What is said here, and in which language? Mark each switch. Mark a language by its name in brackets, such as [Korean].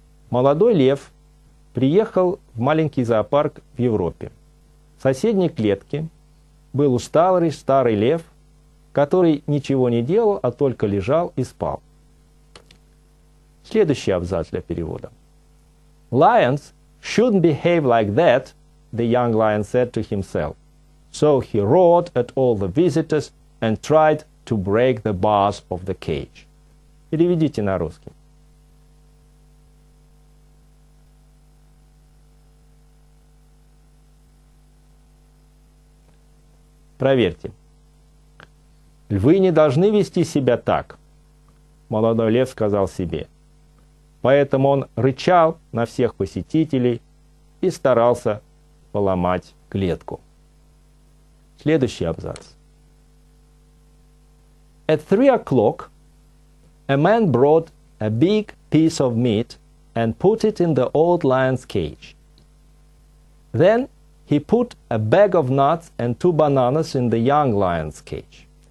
[Russian] Молодой лев приехал в маленький зоопарк в Европе. В соседней клетке был усталый старый лев, который ничего не делал, а только лежал и спал. Следующий абзац для перевода. [English] Lions shouldn't behave like that, the young lion said to himself. So he roared at all the visitors and tried to break the bars of the cage. [Russian] Переведите на русский. Проверьте. Львы не должны вести себя так, молодой лев сказал себе. Поэтому он рычал на всех посетителей и старался поломать клетку. Следующий абзац. [English] At 3 o'clock, a man brought a big piece of meat and put it in the old lion's cage. Then he put a bag of nuts and 2 bananas in the young lion's cage.